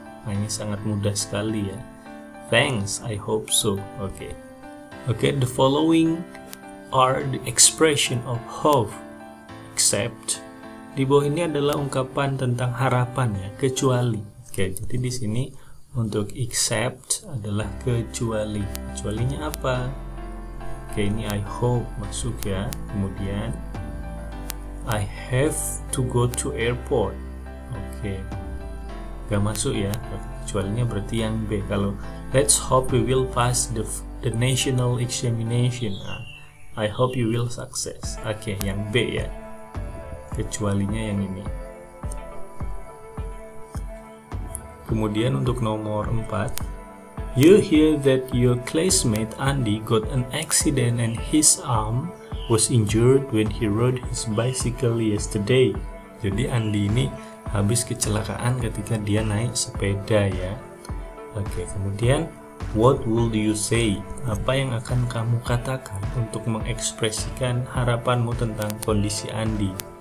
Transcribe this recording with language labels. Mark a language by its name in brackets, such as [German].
[Indonesian] Nah, ini sangat mudah sekali ya. [English] Thanks, I hope so. Oke. Okay, the following are the expression of hope, except. [Indonesian] Di bawah ini adalah ungkapan tentang harapan ya, kecuali. Okay, jadi di sini untuk except adalah kecuali. Kecualinya apa? Okay, ini I hope masuk ya. Kemudian [English] I have to go to airport. [Indonesian] Okay, gak masuk ya. Kecualinya berarti yang B. Kalau [English] let's hope we will pass the national examination. I hope you will success. [Indonesian] Oke, okay, yang B ya. Kecualinya yang ini. Kemudian untuk nomor 4. [English] You hear that your classmate Andy got an accident and his arm was injured when he rode his bicycle yesterday. [Indonesian] Jadi Andy ini habis kecelakaan ketika dia naik sepeda ya. Oke, okay, kemudian [English] what would you say? [Indonesian] Apa yang akan kamu katakan untuk mengekspresikan harapanmu tentang kondisi Andy?